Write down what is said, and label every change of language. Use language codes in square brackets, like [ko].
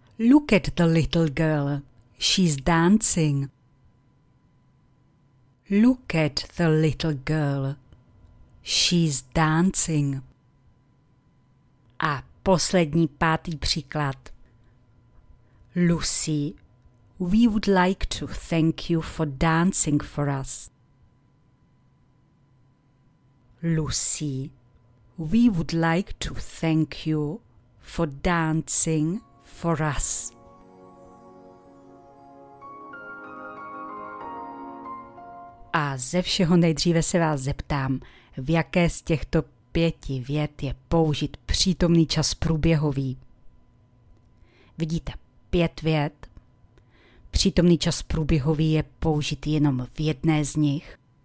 [en] Look at the little girl. She's dancing. Look at the little girl. She's dancing. [cs] A poslední, pátý příklad. [en] Lucy, we would like to thank you for dancing for us. Lucy, we would like to thank you for dancing for us. [cs] A ze všeho nejdříve se vás zeptám, v jaké z těchto pěti vět je použit přítomný čas průběhový. Vidíte, pět vět. Přítomný čas průběhový je použit jenom v jedné z nich.